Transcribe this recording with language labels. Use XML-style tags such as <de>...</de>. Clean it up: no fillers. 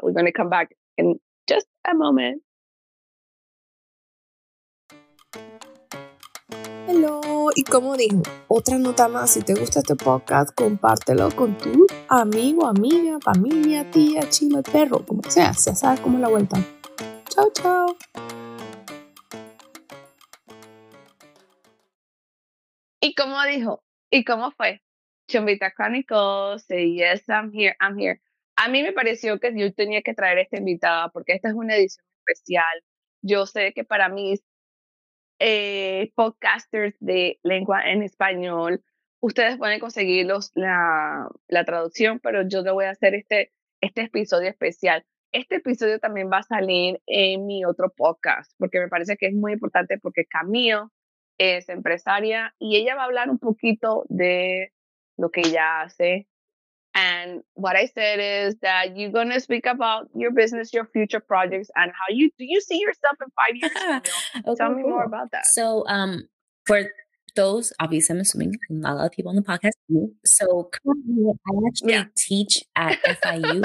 <en>We're going to come back in just a moment.</en> <es>Hello, y como dijo, otra nota más, si te gusta este podcast, compártelo con tu amigo, amiga, familia, tía, chino, perro, como sea, ya sabes cómo la vuelta. Chao, chao. Y como dijo, y cómo fue, Chumbita Chronicles,</es> <en>say yes, I'm here.</en> <es>A mí me pareció que yo tenía que traer a esta invitada porque esta es una edición especial. Yo sé que para mí podcasters de lengua en español, ustedes pueden conseguir la traducción, pero yo le voy a hacer este episodio especial. Este episodio también va a salir en mi otro podcast, porque me parece que es muy importante porque Camille es empresaria y ella va a hablar un poquito de lo que ella hace.</es> <en>And what I said is that you're going to speak about your business, your future projects, and how you do you see yourself in 5 years? Tell me more about that. So for those, obviously, I'm assuming not a lot of people on the podcast. So currently, I actually teach at FIU.</en>